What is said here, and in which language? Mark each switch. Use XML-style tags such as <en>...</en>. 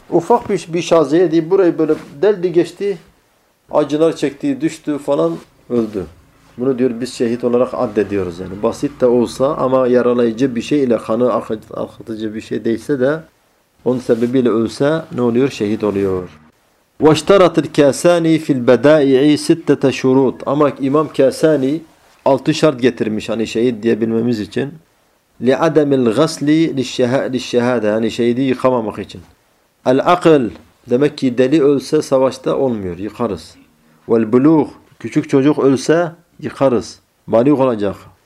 <tr>Ufak bir şazeye diye burayı böyle deldi geçti. Acılar çekti, düştü falan öldü. Bunu diyor biz şehit olarak addediyoruz yani. Basit de olsa ama yaralayıcı bir şey ile kanı akıtıcı bir şey değilse de onun sebebiyle ölse ne oluyor? Şehit oluyor.</tr> <ar>واشترط الكاساني في البدائع 6 شروط.</ar> <tr>Ama İmam Kasani 6 şart getirmiş hani şehit diyebilmemiz için.</tr> <ar>لِعَدَمِ الْغَسْلِ لِلشَّهَادَ</ar> <tr>yani şehidi yıkamamak için.</tr> <ar>الْعَقِلْ</ar> <tr>demek ki deli ölse savaşta olmuyor, yıkarız.</tr> <ar>وَالْبُلُغْ</ar> <tr>küçük çocuk ölse yıkarız, balig olacak.</tr>